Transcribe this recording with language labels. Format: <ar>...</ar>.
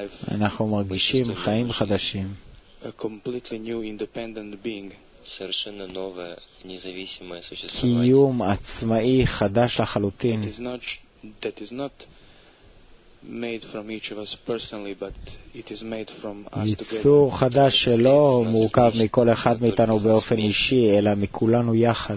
<he>אנחנו מרגישים חיים חדשים.</he> <en>A completely new independent being.</en> <ru>Совершенно новое независимое существование.</ru> <he>קיום עצמאי חדש לחלוטין.</he> <en>That is not made from each of us personally, but it is made from us together.</en> <he>יצור חדש שלא מורכב מכל אחד מאיתנו באופן אישי, אלא מכולנו יחד.</he>